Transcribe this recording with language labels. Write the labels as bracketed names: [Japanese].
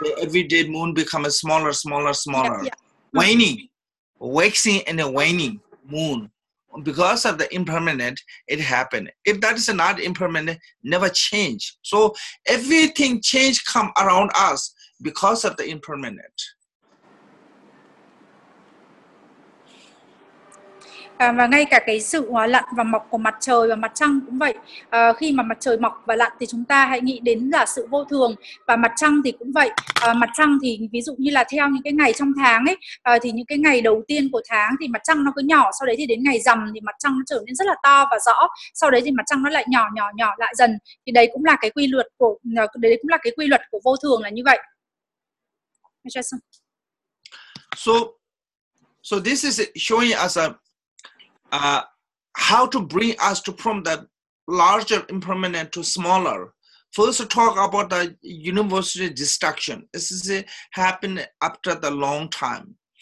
[English] So every day moon become a smaller, smaller, smaller. Yeah. Waning, waxing and a waning moon. Because of the impermanent, it happened. If that is not impermanent, never change. So everything change come around us because of the impermanent. [Vietnamese] Và ngay cả cái sự lặn và mọc của mặt trời và mặt trăng cũng vậy. Khi mà mặt trời mọc và lặn thì chúng ta hãy nghĩ đến là sự vô thường. Và mặt trăng thì cũng vậy. Mặt trăng thì ví dụ như là theo những cái ngày trong tháng ấy, thì những cái ngày đầu tiên của tháng thì mặt trăng nó cứ nhỏ, sau đấy thì đến ngày rằm thì mặt trăng nó trở nên rất là to và rõ, sau đấy thì mặt trăng nó lại nhỏ nhỏ nhỏ lại dần. Thì đấy cũng là cái quy luật của đấy cũng là cái quy luật của vô thường là như vậy. [English] So this is showing us a how to bring us to from the larger impermanent to smaller. First, talk about the universal destruction. This is happened after the long time.